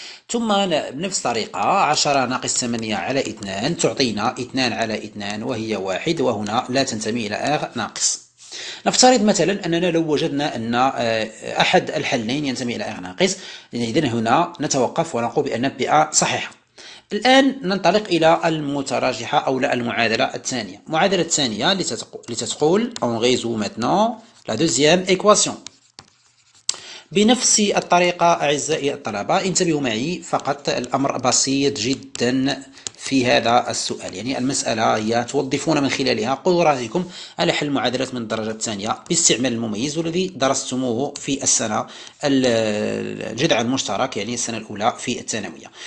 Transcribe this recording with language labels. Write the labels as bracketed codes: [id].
[ar] ثم بنفس الطريقة 10 ناقص 8 على 2 تعطينا 2 على 2 وهي 1، وهنا لا تنتمي إلى R ناقص. نفترض مثلا أننا لو وجدنا أن أحد الحلين ينتمي إلى R ناقص، إذن هنا نتوقف ونقول بأن PA صحيحة. الآن ننطلق إلى المتراجحة أو المعادلة الثانية. المعادلة الثانية لتتقول [fr] on résout maintenant la deuxième équation [ar] بنفس الطريقة. أعزائي الطلبة انتبهوا معي، فقط الأمر بسيط جدا في هذا السؤال، يعني المسألة هي توظفون من خلالها قدراتكم على حل المعادلات من الدرجة الثانية باستعمال المميز الذي درستموه في السنة الجذع المشترك، يعني السنة الأولى في الثانوية.